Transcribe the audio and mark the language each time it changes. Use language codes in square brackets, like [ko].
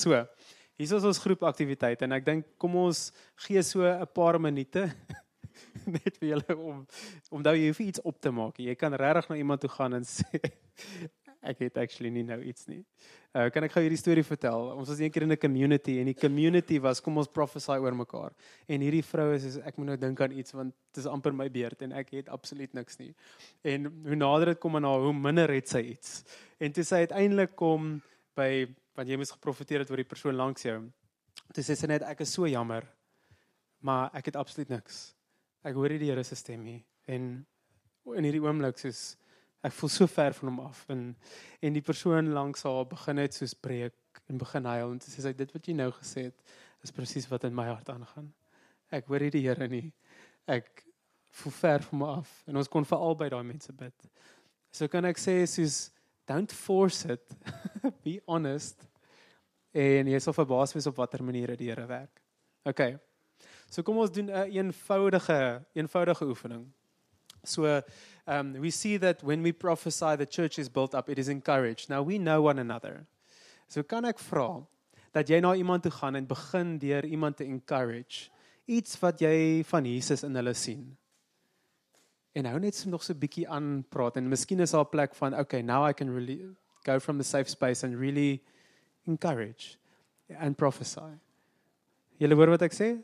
[af] So, hier is ons groepsaktiwiteit en ek dink kom ons gee so 'n paar minute net vir julle om nou jy hoef iets op te maak. Jy kan regtig na iemand toe gaan en sê ek het actually nie nou iets nie. Kan ek gou hierdie storie vertel? Ons was een keer in 'n community en die community was, kom ons prophesy oor mekaar. En hierdie vrou is, ek moet nou dink aan iets, want het is amper my beurt en ek het absoluut niks nie. En hoe nader het kom aan haar, hoe minder het sy iets. En toe sy uiteindelik kom by, want jy moes geprofiteer het oor die persoon langs jou. Toe sê sy net, ek is so jammer, maar ek het absoluut niks. Ek hoor die Here se stem hier. En in hierdie oomblik soos, ek voel so ver van hom af. En die persoon langs haar begin het soos breek en begin huil. En sê sy, dit wat jy nou gesê het, is precies wat in my hart aangaan. Ek hoor hier die Here nie. Ek voel ver van my af. En ons kon vir albei daai mense bid. So kan ek sê soos, [en] don't force it. Be honest. [af] En jy sal verbaas wees op watter maniere die Here werk. Ok. So kom ons doen 'n eenvoudige oefening. [en] So, we see that when we prophesy, the church is built up, it is encouraged. Now, we know one another. [af] So, kan ek vra, dat jy na iemand toe gaan en begin deur iemand te encourage, iets wat jy van Jesus in hulle sien. En hou net so nog so bietjie aan praat, en miskien is daar 'n plek van, [en] okay, now I can really go from the safe space and really encourage and prophesy. [af] Julle hoor wat ek sê?